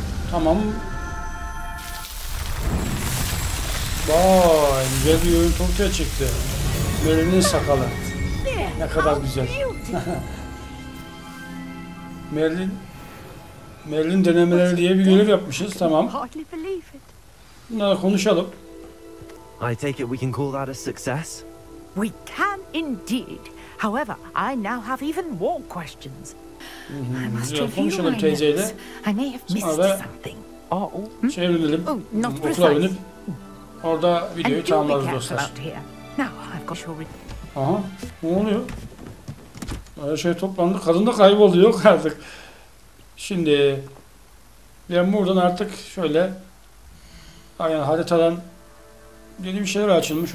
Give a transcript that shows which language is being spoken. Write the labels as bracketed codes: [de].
[tr] Tamam. Vay. Vay, güzel bir görüntü ortaya çıktı. Merlin'in sakalı. Ne kadar güzel. Merlin denemeleri diye bir görev yapmışız, tamam. Bunları konuşalım. [en] I take it we can call that a success. We can indeed. However, I now have even more questions. [tr] Konuşalım teyzeyle. [en] I may have missed something. [tr] Çevirelim. [en] Not precise. [tr] Binip, orada videoyu tamamlarız dostlar. [en] Now I've got your ring. [tr] Aha, ne oluyor? Her şey toplandı. Kadın da kayboldu. Yok artık. Şimdi ben buradan artık şöyle aynen haritadan yeni bir şeyler açılmış.